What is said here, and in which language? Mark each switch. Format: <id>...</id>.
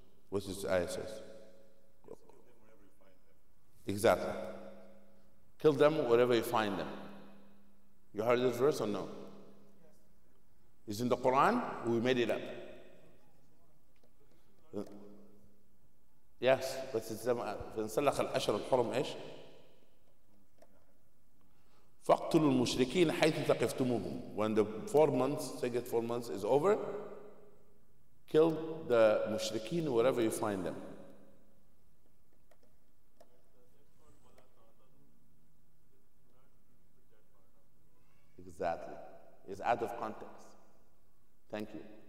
<en>What is ISIS? Kill them wherever you find them. Exactly. Kill them wherever you find them. You heard this verse or no? It's in the Quran, we made it up. Yes, but it's the</en> <ar>فانسلخ الأشهر الحرم إيش؟ فقتلوا المشركين حيث تقفتموهم.</ar> <en>When the 4 months, second 4 months is over, kill the mushrikeen wherever you find them. Exactly. It's out of context. Thank you.</en>